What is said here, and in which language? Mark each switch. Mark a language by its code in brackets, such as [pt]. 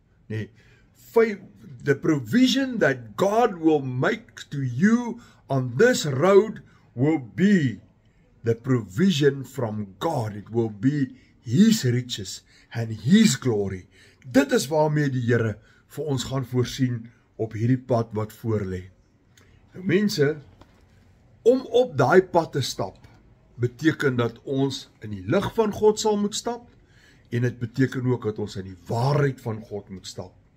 [en] Nee, the provision that God will make to you on this road will be the provision from God. It will be his riches and his glory. [af] Dit is waarmee die Here vir ons gaan voorsien op hierdie pad wat voorlê. Nou mense, om op daai pad te stap beteken dat ons in die lig van God sal moet stap, en het beteken ook dat ons in die waarheid van God moet stap.